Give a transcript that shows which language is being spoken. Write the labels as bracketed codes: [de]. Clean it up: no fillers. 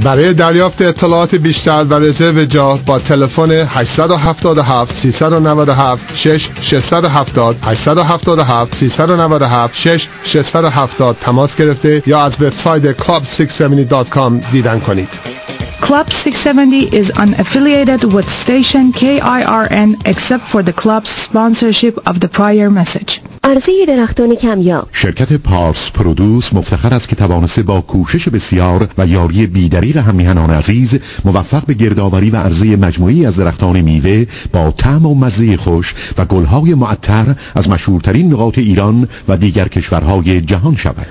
[fa] برای دریافت اطلاعات بیشتر و رزرو جا با تلفن 877-397-6670 تماس گرفته یا از وبسایت club670.com دیدن کنید. [en] Club 670 is unaffiliated with station KIRN except for the club's sponsorship of the prior message. [fa] عرضه درختان کمیاب. شرکت پارس پرودوس مفتخر است که توانسته با کوشش بسیار و یاری بی‌دریغ همیهنان عزیز موفق به گردآوری و عرضه مجموعی از درختان میوه با طعم و مزه خوش و گل‌های معطر از مشهورترین نقاط ایران و دیگر کشورهای جهان شود.